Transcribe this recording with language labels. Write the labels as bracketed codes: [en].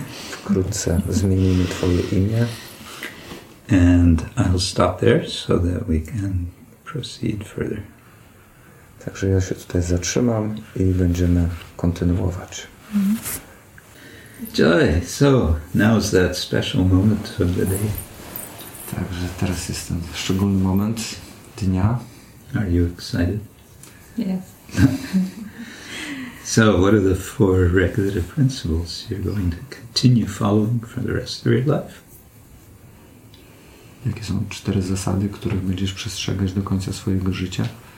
[pl] Wkrótce zmienimy Twoje imię. [en] And I'll stop there so that we can proceed further. [pl] Także ja się tutaj zatrzymam i będziemy kontynuować. [en] Joy, so now's that special moment of the day. [pl] Także teraz jest ten szczególny moment dnia. [en] Are you excited? Yes. So what are the four regulative principles you're going to continue following for the rest of your life? [pl] Jakie są cztery zasady, których będziesz przestrzegać do końca swojego życia?